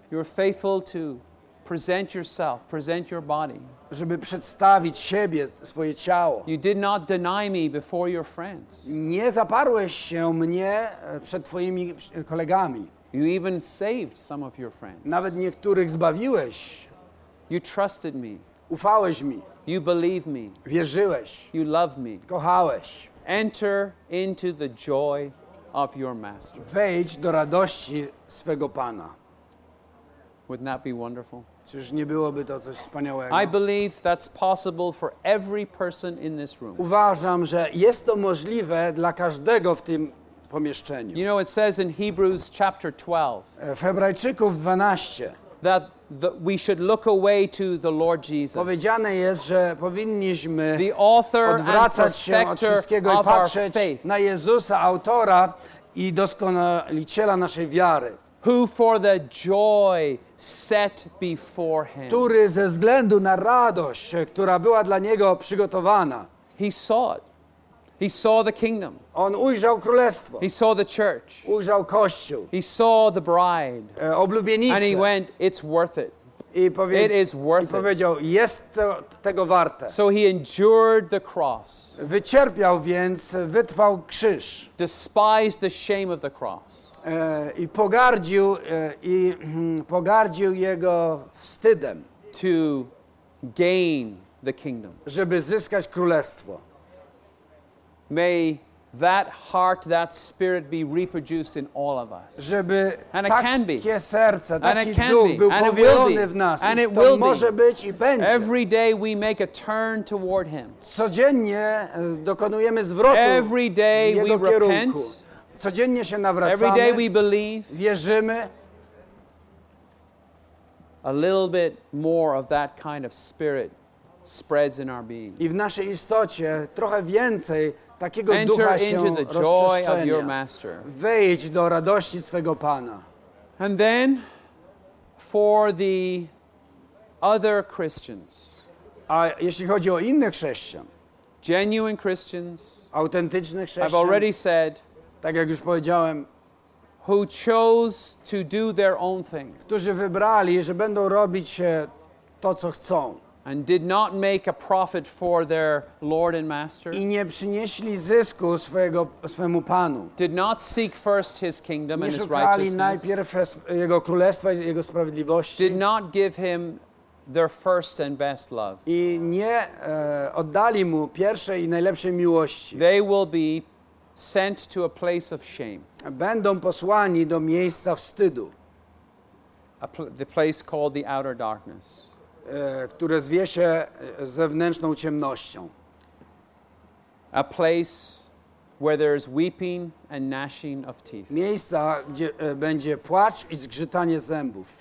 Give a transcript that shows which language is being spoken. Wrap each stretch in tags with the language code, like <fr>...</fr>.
<en>You're faithful to present yourself, present your body.</en> <pl>Żeby przedstawić siebie, swoje ciało.</pl> <en>You did not deny me before your friends.</en> <pl>Nie zaparłeś się mnie przed twoimi kolegami.</pl> <en>You even saved some of your friends.</en> <pl>Nawet niektórych zbawiłeś.</pl> <en>You trusted me.</en> <pl>Ufałeś mi.</pl> <en>You believe me.</en> <pl>Wierzyłeś.</pl> <en>You love me.</en> <pl>Kochałeś.</pl> <en>Enter into the joy of your master.</en> <pl>Wejdź do radości swego Pana.</pl> <en>Wouldn't that be wonderful?</en> <pl>Czyż nie byłoby to coś wspaniałego?</pl> <en>I believe that's possible for every person in this room.</en> <pl>Uważam, że jest to możliwe dla każdego w tym pomieszczeniu.</pl> <en>You know, it says in Hebrews chapter 12.</en> <pl>W Hebrajczyków 12.</pl> <en>That we should look away to the Lord Jesus.</en> <pl>Powiedziane jest, że powinniśmy</pl> <en>the author</en> <pl>odwracać</pl> <en>and perfecter</en> <pl>się od wszystkiego</pl> <en>of</en> <pl>i patrzeć</pl> <en>our faith.</en> <pl>Na Jezusa, autora i doskonaliciela naszej wiary.</pl> <en>Who for the joy set before him.</en> <pl>Który ze względu na radość, która była dla niego przygotowana.</pl> <en>He saw it. He saw the kingdom.</en> <pl>On ujrzał królestwo.</pl> <en>He saw the church.</en> <pl>Ujrzał kościół.</pl> <en>He saw the bride.</en> <pl>Oblubienicę.</pl> <en>And he went, it's worth it.</en> <pl>I powiedział, jest to tego warte.</pl> <en>So he endured the cross.</en> <pl>Wycierpiał więc, wytrwał krzyż.</pl> <en>Despised the shame of the cross.</en> <pl>I pogardził pogardził jego wstydem.</pl> <en>To gain the kingdom.</en> <pl>Żeby zyskać królestwo.</pl> <en>May that heart, that spirit be reproduced in all of us.</en> <pl>Żeby</pl> <en>and it can be.</en> <pl>Takie serce,</pl> <en>and</en> <pl>taki</pl> <en>it can</en> <pl>duch</pl> <en>be.</en> <pl>Był</pl> <en>and</en> <pl>powielony</pl> <en>it</en> <pl>w nas.</pl> <en>And</en> <pl>I</pl> <en>it will</en> <pl>może</pl> <en>be.</en> <pl>Być i będzie.</pl> <en>Every day we make a turn toward him.</en> <pl>Codziennie dokonujemy zwrotu</pl> <en>every day</en> <pl>w jego</pl> <en>we</en> <pl>kierunku.</pl> <en>Repent.</en> <pl>Codziennie się nawracamy.</pl> <en>Every day we believe.</en> <pl>Wierzymy.</pl> <en>A little bit more of that kind of spirit spreads in our being.</en> <pl>I w naszej istocie trochę więcej takiego</pl> <en>enter</en> <pl>ducha się</pl> <en>into the joy of your master.</en> <pl>Wejdź do radości swego Pana.</pl> <en>And then for the other Christians.</en> <pl>A jeśli chodzi o innych chrześcijan.</pl> <en>Genuine Christians.</en> <pl>Autentyczne chrześcijan.</pl> <en>I've already said.</en> <pl>Tak jak już powiedziałem.</pl> <en>Who chose to do their own thing.</en> <pl>Którzy wybrali, że będą robić to, co chcą.</pl> <en>and did not make a profit for their Lord and Master,</en> <pl>i nie przynieśli zysku swojego, swemu Panu,</pl> <en>did not seek first His kingdom and His righteousness,</en> <pl>najpierw Jego królestwa i Jego sprawiedliwości,</pl> <en>did not give Him their first and best love,</en> <pl>i nie oddali Mu pierwszej i najlepszej miłości,</pl> <en>they will be sent to a place of shame.</en> <pl>Będą posłani do miejsca wstydu.</pl> <en>The place called the outer darkness.</en> <pl>Które zwie się zewnętrzną ciemnością.</pl> <en>A place where there is weeping and gnashing of teeth.</en> <pl>Miejsca, gdzie będzie płacz i zgrzytanie zębów.</pl>